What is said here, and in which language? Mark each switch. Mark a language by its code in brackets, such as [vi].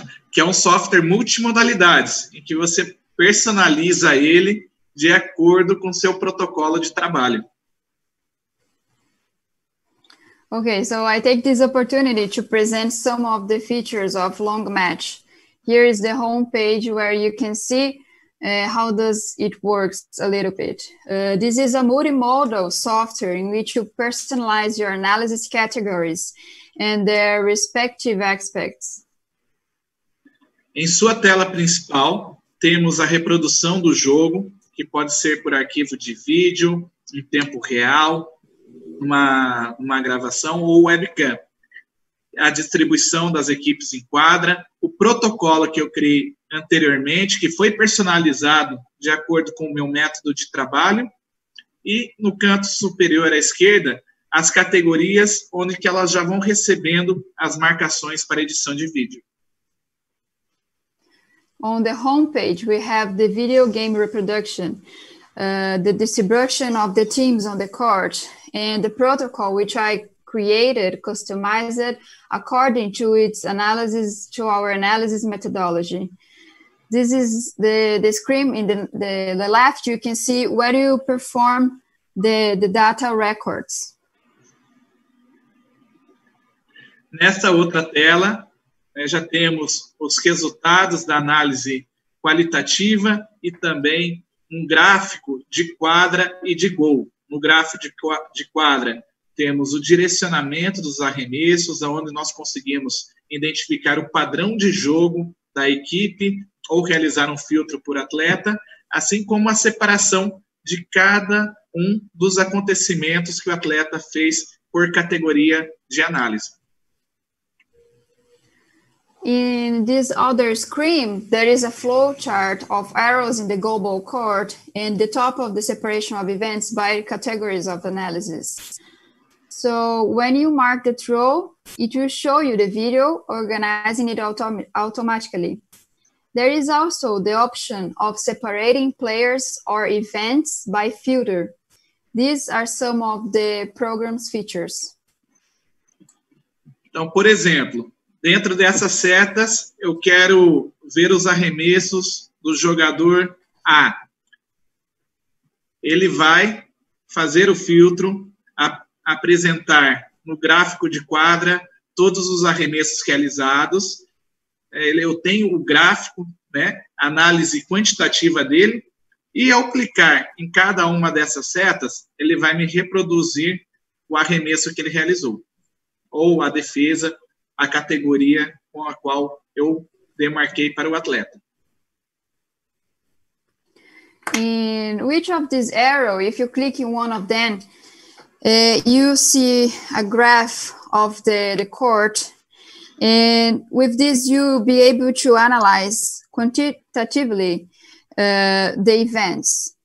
[pt] Que é um software multimodalidades, em que você personaliza ele de acordo com seu protocolo de trabalho. [en] Okay, so I take this opportunity to present some of the features of Longomatch. Here is the home page where you can see how does it works a little bit. This is a multimodal software in which you personalize your analysis categories and their respective aspects. [pt] Em sua tela principal, temos a reprodução do jogo, que pode ser por arquivo de vídeo, em tempo real, uma gravação ou webcam, a distribuição das equipes em quadra, o protocolo que eu criei anteriormente, que foi personalizado de acordo com o meu método de trabalho, e no canto superior à esquerda, as categorias onde que elas já vão recebendo as marcações para edição de vídeo. [en] On the homepage, we have the video game reproduction, the distribution of the teams on the court, and the protocol, which I created, customized according to its analysis, to our analysis methodology. This is the screen in the left. You can see where you perform the data records. [pt] Nessa outra tela, já temos os resultados da análise qualitativa e também um gráfico de quadra e de gol. No gráfico de quadra, temos o direcionamento dos arremessos, onde nós conseguimos identificar o padrão de jogo da equipe ou realizar um filtro por atleta, assim como a separação de cada um dos acontecimentos que o atleta fez por categoria de análise. [en] In this other screen, there is a flow chart of arrows in the goalball court and the top of the separation of events by categories of analysis. So when you mark the throw, it will show you the video, organizing it automatically. There is also the option of separating players or events by filter. These are some of the program's features. [pt] Então, por exemplo, dentro dessas setas, eu quero ver os arremessos do jogador A. Ele vai fazer o filtro, apresentar no gráfico de quadra todos os arremessos realizados. Eu tenho o gráfico, né, análise quantitativa dele. E ao clicar em cada uma dessas setas, ele vai me reproduzir o arremesso que ele realizou, ou a defesa, a categoria com a qual eu demarquei para o atleta. [en] In which of these arrows, if you click in one of them, you see a graph of the court, and with this you'll be able to analyze quantitatively the events.